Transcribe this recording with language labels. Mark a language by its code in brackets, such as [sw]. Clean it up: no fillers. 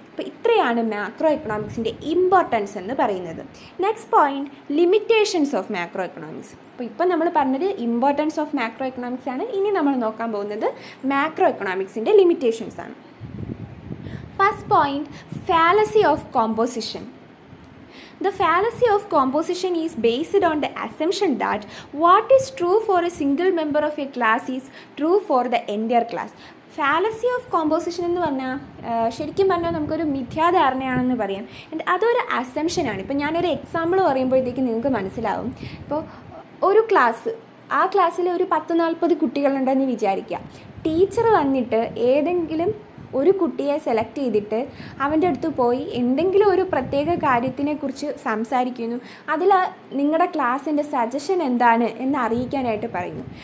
[ml] അപ്പോൾ ഇത്രയാണ് macro എക്കണോമിക്സിൻ്റെ importance എന്ന് പറയുന്നത്. Next point, limitations of macro economics. അപ്പോൾ ഇപ്പം നമ്മൾ പറഞ്ഞത് ഇമ്പോർട്ടൻസ് ഓഫ് മാക്രോ എക്കണോമിക്സ് ആണ്. ഇനി നമ്മൾ നോക്കാൻ പോകുന്നത് മാക്രോ എക്കണോമിക്സിൻ്റെ ലിമിറ്റേഷൻസ് ആണ്. First point, fallacy of composition. [en] The fallacy of composition is based on the assumption that what is true for a single member of a class is true for the entire class. [ml] Fallacy of composition എന്ന് പറഞ്ഞാൽ ശരിക്കും പറഞ്ഞാൽ നമുക്കൊരു മിഥ്യാധാരണയാണെന്ന് പറയാം. എൻ്റെ അതൊരു അസംഷനാണ്. ഇപ്പോൾ ഞാനൊരു എക്സാമ്പിൾ പറയുമ്പോഴത്തേക്ക് നിങ്ങൾക്ക് മനസ്സിലാവും. ഇപ്പോൾ ഒരു ക്ലാസ്, ആ ക്ലാസ്സിൽ ഒരു 10-40 കുട്ടികളുണ്ടെന്ന് വിചാരിക്കുക. ടീച്ചർ വന്നിട്ട് ഏതെങ്കിലും ഒരു കുട്ടിയെ സെലക്ട് ചെയ്തിട്ട് അവൻ്റെ അടുത്ത് പോയി എന്തെങ്കിലും ഒരു പ്രത്യേക കാര്യത്തിനെക്കുറിച്ച് സംസാരിക്കുന്നു, അതിൽ നിങ്ങളുടെ ക്ലാസ്സിൻ്റെ സജഷൻ എന്താണ് എന്ന് അറിയിക്കാനായിട്ട് പറയുന്നു.